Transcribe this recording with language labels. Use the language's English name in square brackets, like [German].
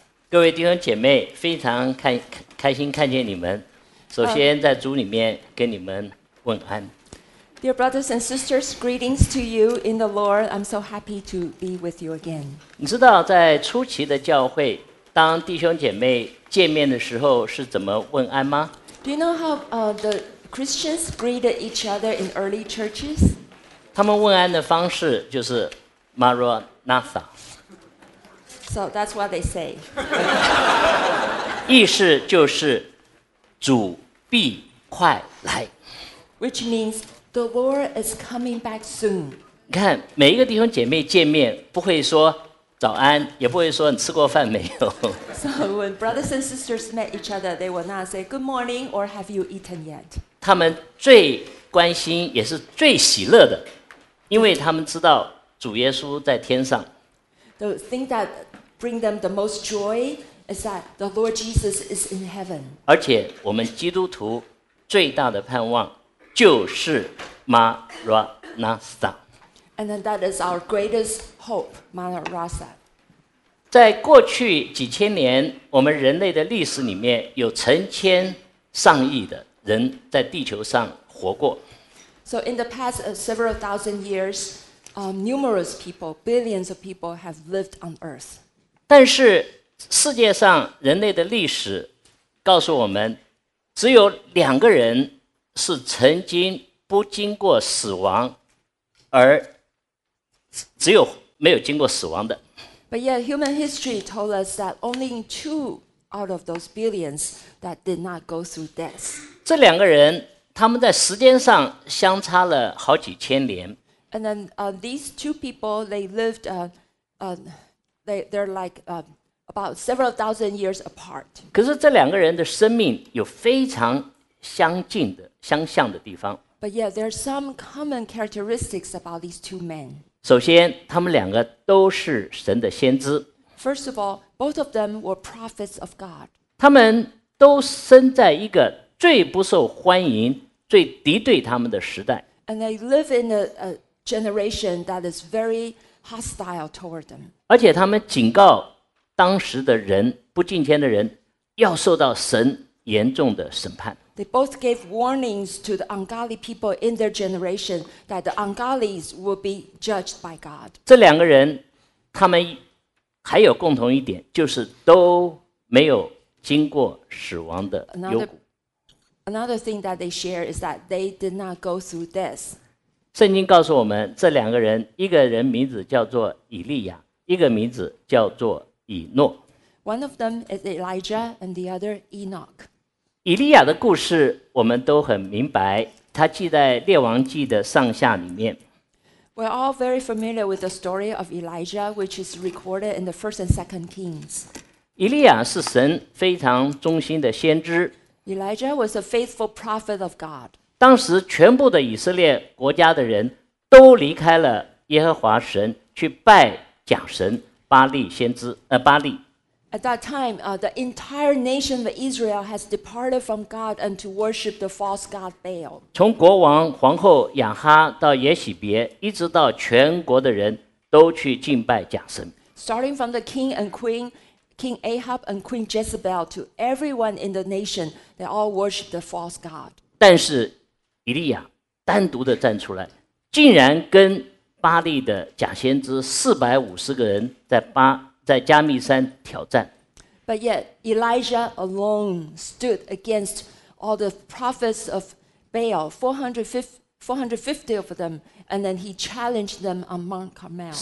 [Chinese] 各位弟兄姐妹，非常开心看见你们。首先，在主里面跟你们问安。 [English] Dear brothers and sisters, greetings to you in the Lord. I'm so happy to be with you again. [Chinese] 你知道在初期的教会，当弟兄姐妹见面的时候是怎么问安吗 [English] ？Do you know how the Christians greeted each other in early churches? [Chinese] 他们问安的方式就是 Maranatha。 [English] So that's what they say. [Chinese] 意思就是主必快来。 [English] Which means the Lord is coming back soon. [Chinese] 你看每一个弟兄姐妹见面不会说早安，也不会说你吃过饭没有。 [English] So when brothers and sisters met each other, they will not say good morning or have you eaten yet. [Chinese] 他们最关心也是最喜乐的，因为他们知道主耶稣在天上。 [English] The thing that bring them the most joy is that the Lord Jesus is in heaven. [Chinese] 而且我们基督徒最大的盼望就是 Maranatha. [English] And then that is our greatest hope, Maranatha. [Chinese] 在过去几千年，我们人类的历史里面有成千上亿的人在地球上活过。 [English] So in the past several thousand years, numerous people, billions of people have lived on Earth. [Chinese] 但是世界上人类的历史告诉我们，只有两个人是曾经不经过死亡，而只有没有经过死亡的。 [English] But yet, human history told us that only two out of those billions that did not go through death. [Chinese] 这两个人，他们在时间上相差了好几千年。 [English] And then, these two people, they lived, They're like about several thousand years apart. [Chinese] 可是这两个人的生命有非常相近的、相像的地方。 [English] But yeah, there are some common characteristics about these two men. [Chinese] 首先，他们两个都是神的先知。 [English] First of all, both of them were prophets of God. [Chinese] 他们都生在一个最不受欢迎、最敌对他们的时代。 [English] And they live in a generation that is very hostile toward them. [Chinese] 而且他们警告当时的人，不敬虔的人，要受到神严重的审判。 [English] They both gave warnings to the ungodly people in their generation that the ungodly would be judged by God. [Chinese] 这两个人，他们还有共同一点，就是都没有经过死亡的幽谷。 [English] Another thing that they share is that they did not go through death. [Chinese] 圣经告诉我们，这两个人，一个人名字叫做以利亚，一个名字叫做以诺。 [English] One of them is Elijah, and the other Enoch. [Chinese] 以利亚的故事我们都很明白，他记在列王记的上下里面。 [English] We're all very familiar with the story of Elijah, which is recorded in the First and Second Kings. [Chinese] 以利亚是神非常忠心的先知。 [English] Elijah was a faithful prophet of God. [Chinese] 当时全部的以色列国家的人都离开了耶和华神，去拜假神巴利先知巴利。 [English] At that time, the entire nation of Israel has departed from God and to worship the false god Baal. [Chinese] 从国王、皇后亚哈到耶洗别，一直到全国的人都去敬拜假神。 [English] Starting from the king and queen, King Ahab and Queen Jezebel, to everyone in the nation, they all worship the false god. [Chinese] 但是以利亚单独的站出来，竟然跟巴利的假先知450个人在加密山挑战。 [English] But yet Elijah alone stood against all the prophets of Baal, 450 of them, and then he challenged them on Mount Carmel.